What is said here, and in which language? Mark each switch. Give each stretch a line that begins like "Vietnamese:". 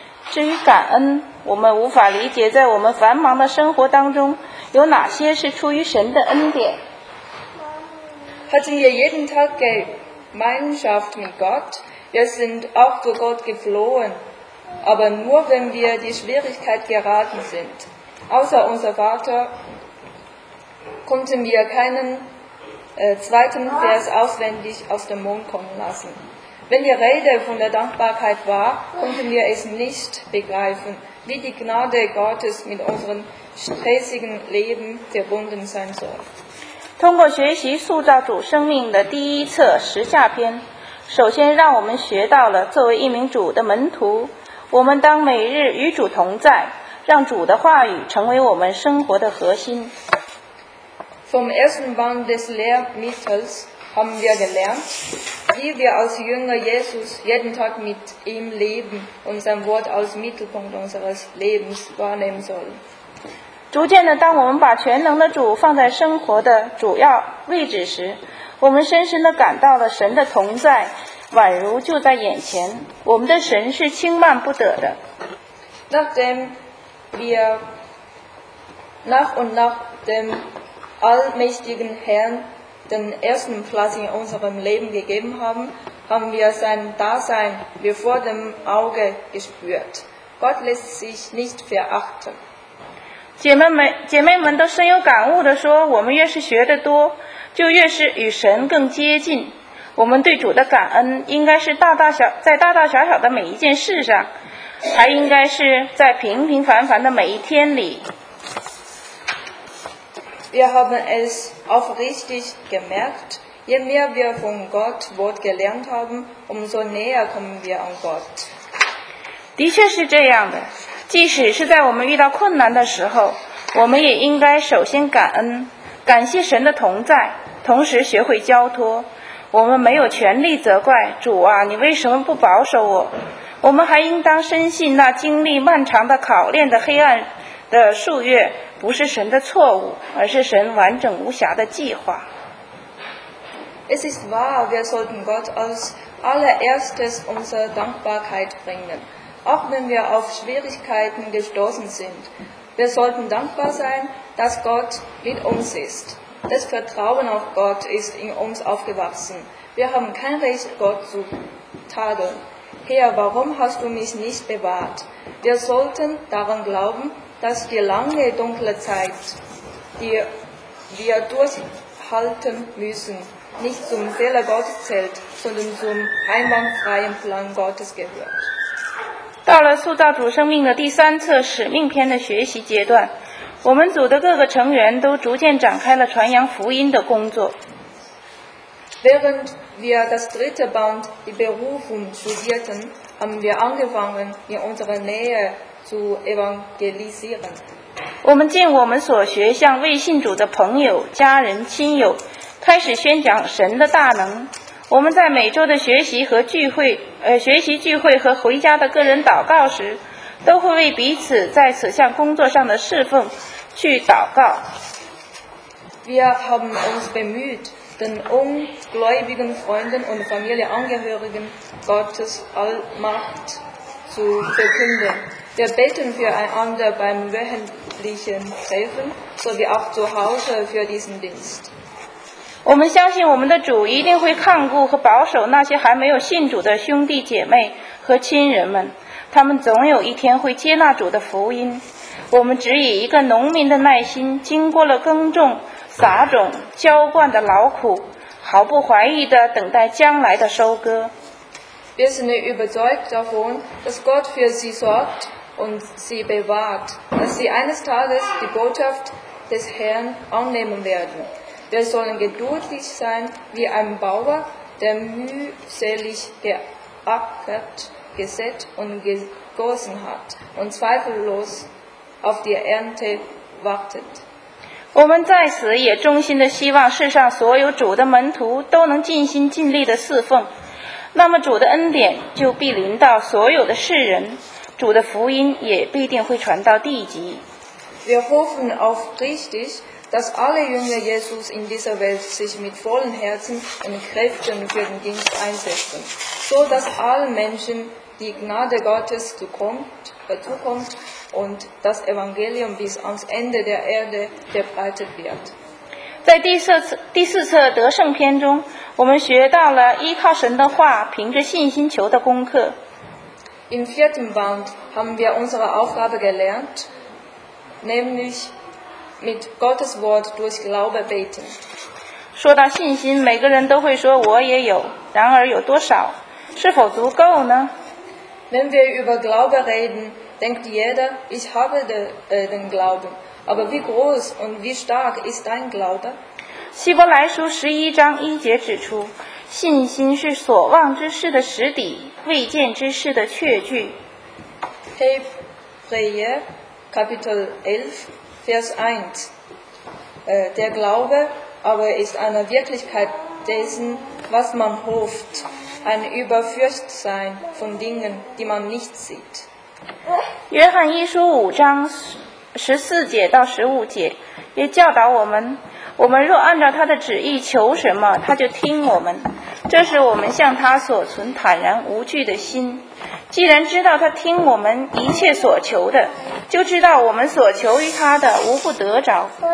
Chinese: 至于感恩，我们无法理解在我们繁忙的生活当中有哪些是出于神的恩典。
German: Hatten wir jeden Tag Gemeinschaft mit Gott? Wir sind auch zu Gott geflohen, aber nur wenn wir die Schwierigkeit geraten sind. Außer unser Vater konnten wir keinen zweiten Vers auswendig aus dem Mund kommen lassen. Wenn die Rede von der Dankbarkeit war, konnten wir es nicht begreifen, wie die Gnade Gottes mit unserem stressigen Leben verbunden sein soll.
Chinese: 通过学习塑造主生命的第一册十下篇，首先让我们学到了作为一名主的门徒，我们当每日与主同在，让主的话语成为我们生活的核心。
German: Vom ersten Band des Lehrmittels haben wir gelernt, wie wir als Jünger Jesus jeden Tag mit ihm leben und sein Wort als Mittelpunkt unseres Lebens wahrnehmen sollen.
Chinese: 逐渐的，当我们把全能的主放在生活的主要位置时，我们深深的感到了神的同在，宛如就在眼前。我们的神是轻慢不得的。
German: Nachdem wir nach und nach dem allmächtigen Herrn den ersten Platz in unserem Leben gegeben haben, haben wir sein Dasein wie vor dem Auge gespürt. Gott lässt sich nicht verachten.
Chinese: 姐妹们都深有感悟地说，我们越是学得多，就越是与神更接近。我们对主的感恩应该是在大大小小的每一件事上，还应该是在平平凡凡的每一天里。
German: Wir haben es aufrichtig gemerkt, je mehr wir von Gott Wort gelernt haben, umso näher kommen wir an Gott.
Chinese: 的确是这样的，即使是在我们遇到困难的时候，我们也应该首先感恩，感谢神的同在，同时学会交托。我们没有权利责怪主啊，你为什么不保守我？我们还应当深信那经历漫长的考验的黑暗的数月不是神的错误，而是神完整无瑕的计划。
German: Es ist wahr, wir sollten Gott als allererstes unsere Dankbarkeit bringen. Auch wenn wir auf Schwierigkeiten gestoßen sind, wir sollten dankbar sein, dass Gott mit uns ist. Das Vertrauen auf Gott ist in uns aufgewachsen. Wir haben kein Recht, Gott zu tadeln. Herr, warum hast du mich nicht bewahrt? Wir sollten daran glauben,dass die lange dunkle Zeit, die wir durchhalten müssen, nicht zum Fehler Gottes zählt, sondern zum einwandfreien Plan Gottes gehört.
Chinese: 到了塑造主生命的第三册使命篇的学习阶段，我们组的各个成员都逐渐展开了传扬福音的工作。
German: Während wir das dritte Band, die Berufung, studierten, haben wir angefangen, in unserer Nähe zu evangelisieren.
Chinese: 我们尽我们所学，向未信主的朋友、家人、亲友开始宣讲神的大能。我们在每周的学习和聚会，学习聚会和回家的个人祷告时，都会为彼此在此项工作上的侍奉去祷告。
German: Wir haben uns bemüht, den ungläubigen Freunden und Familienangehörigen Gottes Allmacht zu verkünden. Wir beten füreinander beim wöchentlichen Treffen, sowie auch zu Hause für diesen Dienst.
Chinese: 我们相信我们的主一定会看顾和保守那些还没有信主的兄弟姐妹和亲人们，他们总有一天会接纳主的福音。我们只以一个农民的耐心，经过了耕种、撒种、浇灌的劳苦，毫不怀疑地等待将来的收割。
German: Wir sind überzeugt davon, dass Gott für sie sorgt und sie bewahrt, dass sie eines Tages die Botschaft des Herrn annehmen werden. Wir sollen geduldig sein wie ein Bauer, der mühselig geackert, gesät und gegossen hat und zweifellos auf die Ernte wartet.
Chinese: 我们在此也衷心地希望世上所有主的门徒都能尽心尽力地侍奉。那么主的恩典就必临到所有的世人，主的福音也必定会传到地极。
German: Wir hoffen auf richtig, dass alle Jünger Jesus in dieser Welt sich mit vollen Herzen und Kräften für den Dienst einsetzen, so dass allen Menschen die Gnade Gottes zukommt und das Evangelium bis ans Ende der Erde verbreitet wird.
Chinese: 在第四册得胜篇中，我们学到了依靠神的话，凭着信心求的功课。
German: Im vierten Band haben wir unsere Aufgabe gelernt, nämlich mit Gottes Wort durch Glaube beten.
Chinese: 说到信心，每个人都会说我也有，然而有多少？是否足够呢？
German: Wenn wir über Glaube reden, denkt jeder, ich habe den Glauben. Aber wie groß und wie stark ist dein Glaube?
Chinese: 希伯来书十一章一节指出，信心是所望之事的实底，未见之事的确据。
German: Hebräer Kapitel 11 Vers 1 Der Glaube aber ist eine Wirklichkeit dessen, was man hofft, ein Überfürchtsein von Dingen, die man nicht sieht.
Chinese: 约翰一书五章十四节到十五节也教导我们，我们若按照他的旨意求什么，他就听我们，这是我们向他所存坦然无惧的心。既然知道他听我们一切所求的，就知道我们所求于他的无不得着。